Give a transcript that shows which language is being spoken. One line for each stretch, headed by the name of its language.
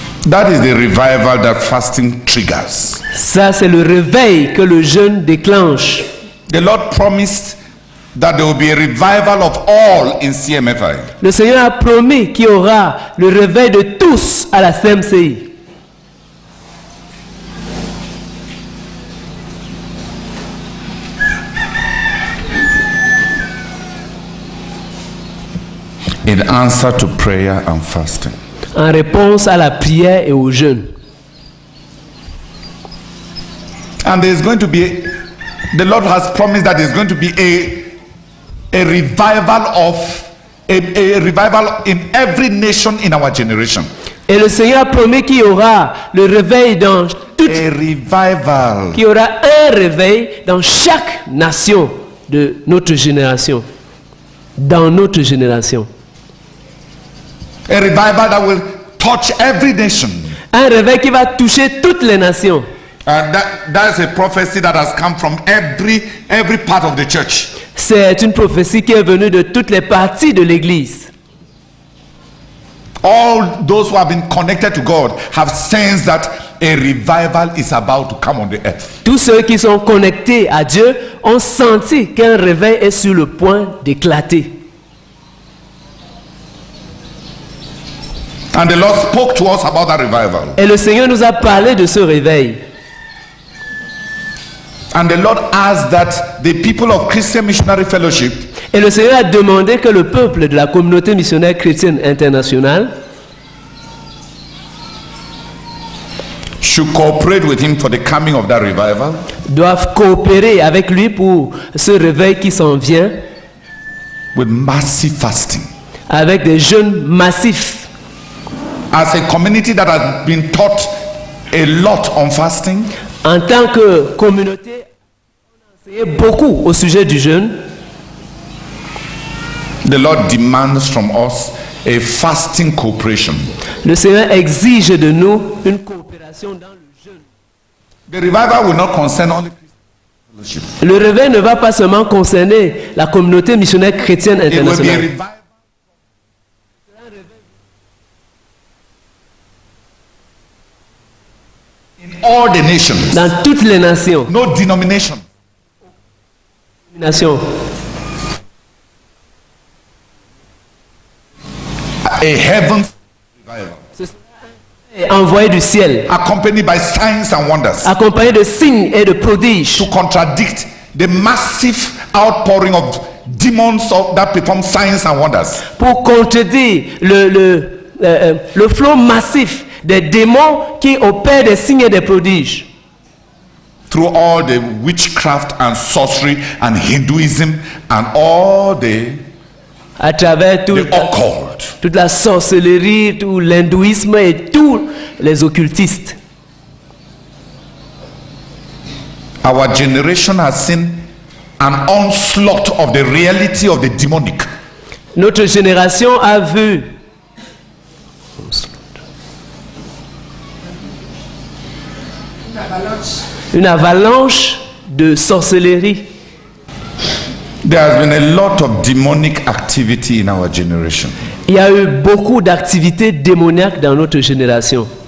English: That is the revival that fasting triggers.
French: Ça c'est le réveil que le jeûne déclenche.
English: The Lord promised that there will be a revival of all in CMFI.
French: Le Seigneur a promis qu'il y aura le réveil de tous à la CMCI.
English: In answer to prayer and fasting.
French: En réponse à la prière et au jeûne.
English: And there is going to be, the Lord has promised that there is going to be a revival in every nation in our generation.
French: Et le Seigneur a promis qu'il y aura le réveil dans toute.
English: A revival.
French: Qu'il y aura un réveil dans chaque nation de notre génération. Dans notre génération.
English: A revival that will touch every nation.
French: Un réveil qui va toucher toutes les nations.
English: And that is a prophecy that has come from every part of the church.
French: C'est une prophétie qui est venue de toutes les parties de l'église.
English: All those who have been connected to God have sensed that a revival is about to come on the earth.
French: Tous ceux qui sont connectés à Dieu ont senti qu'un réveil est sur le point d'éclater.
English: And the Lord spoke to us about that revival.
French: Et le Seigneur nous a parlé de ce réveil.
English: And the Lord asked that the people of Christian Missionary Fellowship.
French: Et le Seigneur a demandé que le peuple de la communauté missionnaire chrétienne internationale
English: should cooperate with him for the coming of that revival.
French: Doivent coopérer avec lui pour ce réveil qui s'en vient.
English: With massive fasting.
French: Avec des jeûnes massifs.
English: As a community that has been taught a lot on fasting.
French: En tant que communauté, on a enseigné beaucoup au sujet du jeûne.
English: The Lord demands from us a fasting cooperation.
French: Le Seigneur exige de nous une coopération dans le jeûne.
English: The revival will not concern only Christian fellowship.
French: Le réveil ne va pas seulement concerner la communauté missionnaire chrétienne internationale.
English: It will be a revival in all the nations.
French: Dans toutes les nations.
English: No denomination.
French: Nation.
English: A heaven revival.
French: Envoyé du ciel.
English: Accompanied by signs and wonders.
French: Accompagné de signes et de prodiges.
English: To contradict the massive outpouring of demons that perform signs and wonders.
French: Pour contredire le flot massif des démons qui opèrent des signes et des prodiges.
English: Through all the witchcraft and sorcery and Hinduism and all the.
French: À travers tout toute la sorcellerie, tout l'hindouisme et tous les occultistes.
English: Our generation has seen an onslaught of the reality of the demonic.
French: Notre génération a vu une avalanche de sorcellerie.
English: There has been a lot of demonic activity in our generation.
French: Il y a eu beaucoup d'activités démoniaques dans notre génération.